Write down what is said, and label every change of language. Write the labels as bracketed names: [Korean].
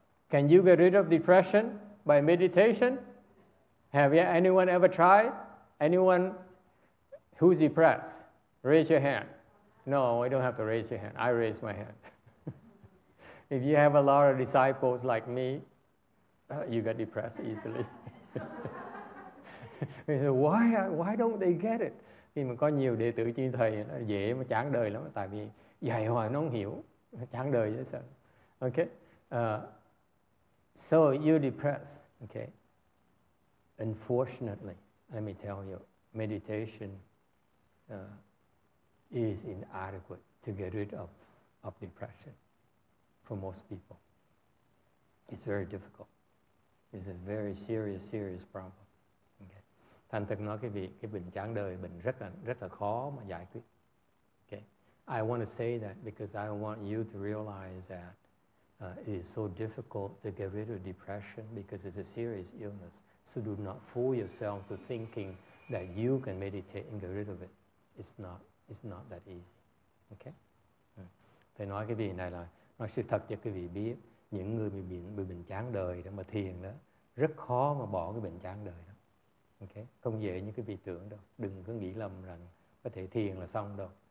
[English] Can you get rid of depression by meditation? Have you, anyone ever tried? Anyone who's depressed? Raise your hand. No, I don't have to raise your hand. I raise my hand. If you have a lot of disciples like me, you get depressed easily. They say, why don't they get it? [Vietnamese] Khi mà có nhiều đệ tử như thầy, nó dễ mà chán đời lắm. Tại vì dạy hoài nó không hiểu. Chán đời chứ sao. Okay. [English] So you're depressed. [Vietnamese] Okay. [English] Unfortunately, let me tell you, meditation is inadequate to get rid of depression for most people. It's very difficult. It's a very serious, serious problem. Okay. [Vietnamese] Thành thật nói cái việc cái bệnh chán đời bệnh rất là khó mà giải quyết. [English] Okay. I want to say that because I want you to realize that it is so difficult to get rid of depression because it's a serious illness. So do not fool yourself to thinking that you can meditate and get rid of it. It's not that easy. Okay? [Vietnamese] Thầy nói cái vị này là nói sự thật cho cái vị biết những người bị bệnh chán đời đó mà thiền đó rất khó mà bỏ cái bệnh chán đời đó. Okay? Không dễ như cái vị tưởng đâu. Đừng có nghĩ lầm rằng có thể thiền là xong đâu.